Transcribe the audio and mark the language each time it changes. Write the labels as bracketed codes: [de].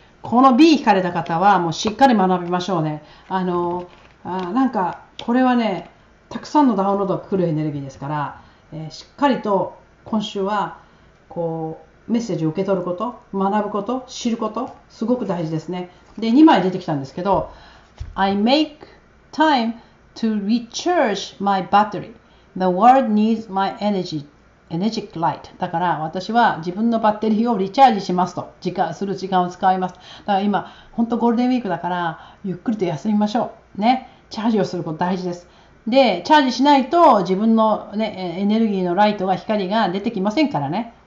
[ja] この B 引かれた方は、もうしっかり学びましょうね。なんか、これはね、たくさんのダウンロードが来るエネルギーですから、しっかりと、今週は、こう、メッセージを受け取ること、学ぶこと、知ること、すごく大事ですね。で、2枚出てきたんですけど、 [en] I make time to recharge my battery. The world needs my energy. [ja] エネジックライト。だから私は自分のバッテリーをリチャージしますと。時間する時間を使います。だから今、本当ゴールデンウィークだから、ゆっくりと休みましょう。ね。チャージをすること大事です。で、チャージしないと自分の、ね、エネルギーのライトが光が出てきませんからね。